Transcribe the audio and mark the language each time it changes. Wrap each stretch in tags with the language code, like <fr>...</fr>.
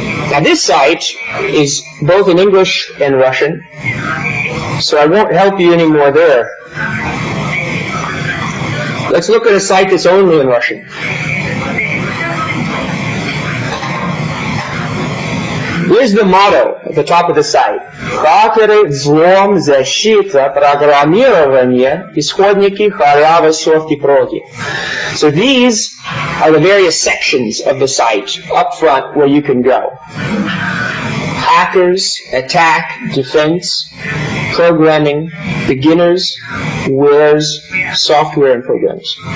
<en>Now, this site is both in English and Russian, so I won't help you anymore there. Let's look at a site that's only in Russian. Here's the motto at the top of the site.</en> <ru>Hакеры, взлом, защита, программирование, исходники, халява, софт и прочее.</ru> <en>So these are the various sections of the site up front where you can go. Hackers, attack, defense, programming, beginners, wares, software and programs.</en>